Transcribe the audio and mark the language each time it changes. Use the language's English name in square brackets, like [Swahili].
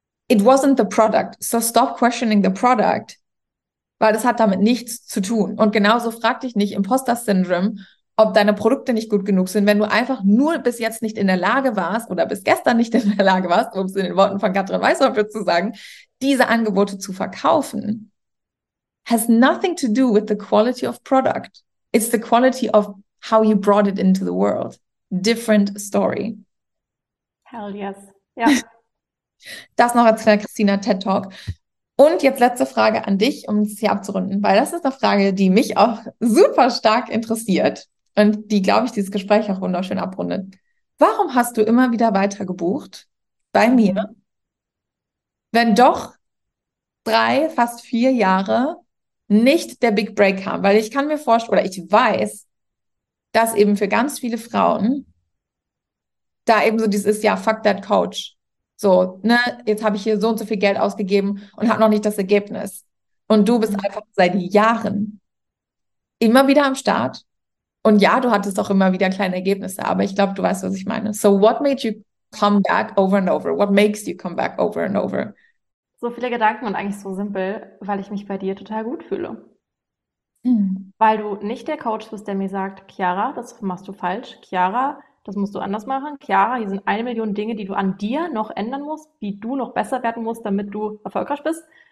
[English] It wasn't the product, so stop questioning the product, [German] weil das hat damit nichts zu tun. Und genauso frag dich nicht Imposter-Syndrom, ob deine Produkte nicht gut genug sind, wenn du einfach nur bis jetzt nicht in der Lage warst oder bis gestern nicht in der Lage warst, um es in den Worten von Katrin Weißhoff zu sagen, diese Angebote zu verkaufen. [English] Has nothing to do with the quality of product. It's the quality of how you brought it into the world. different story. Hell yes. [German] Ja. Das noch als kleiner Christina TED Talk. Und jetzt letzte Frage an dich, um es hier abzurunden, weil das ist eine Frage, die mich auch super stark interessiert und die, glaube ich, dieses Gespräch auch wunderschön abrundet. Warum hast du immer wieder weiter gebucht bei mir, wenn doch 3, fast 4 Jahre nicht der Big Break kam? Weil ich kann mir vorstellen, oder ich weiß, dass eben für ganz viele Frauen da eben so dieses ist, ja, [English] fuck that Coach. [German] So, ne, jetzt habe ich hier so und so viel Geld ausgegeben und habe noch nicht das Ergebnis. Und du bist einfach seit Jahren immer wieder am Start. Und ja, du hattest auch immer wieder kleine Ergebnisse, aber ich glaube, du weißt, was ich meine. [English] So, what made you come back over and over? What makes you come back over and over? [German] So viele Gedanken und eigentlich so simpel, weil ich mich bei dir total gut fühle. Weil du nicht der Coach bist, der mir sagt, Chiara, das machst du falsch. Chiara, das musst du anders machen. Chiara, hier sind 1 Million Dinge, die du an dir noch ändern musst, wie du noch besser werden musst, damit du erfolgreich bist.